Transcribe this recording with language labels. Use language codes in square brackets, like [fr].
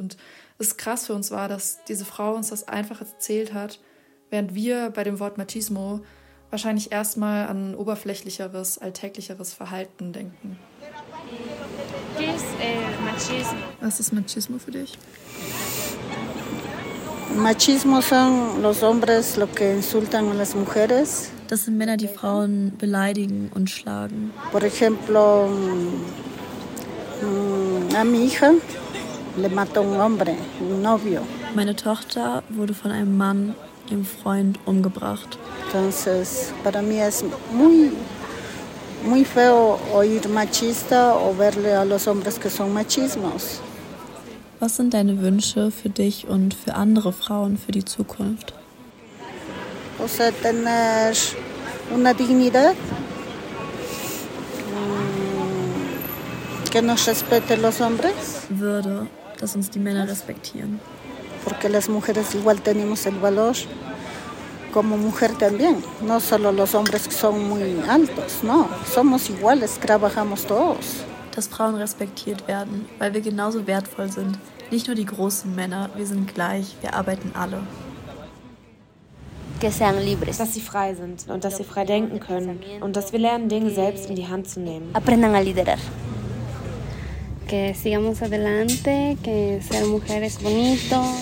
[de] Und es ist krass für uns war, dass diese Frau uns das einfach erzählt hat, während wir bei dem Wort Machismo wahrscheinlich erstmal an oberflächlicheres, alltäglicheres Verhalten denken. Was ist Machismo für dich? [es] Machismo son los hombres lo que insultan a las mujeres. [de] Das sind Männer, die Frauen beleidigen und schlagen. [es] Por ejemplo, a mi hija le mató un hombre, un novio. [de] Meine Tochter wurde von einem Mann, ihrem Freund, umgebracht. [es] Entonces, para mí es muy, muy feo oír machista o verle a los hombres que son machismos. [de] Was sind deine Wünsche für dich und für andere Frauen für die Zukunft? [es] O sea, tener una dignidad. Que nos respeten los hombres. [de] Würde, dass uns die Männer respektieren. [es] Porque las mujeres igual tenemos el valor como mujer también. No solo los hombres que son muy altos, no. Somos iguales, trabajamos todos. [de] Dass Frauen respektiert werden, weil wir genauso wertvoll sind. Nicht nur die großen Männer, wir sind gleich, wir arbeiten alle. Dass sie frei sind und dass sie frei denken können und dass wir lernen, Dinge selbst in die Hand zu nehmen. [es] Aprendan a liderar. Que sigamos adelante, que ser mujer es bonito.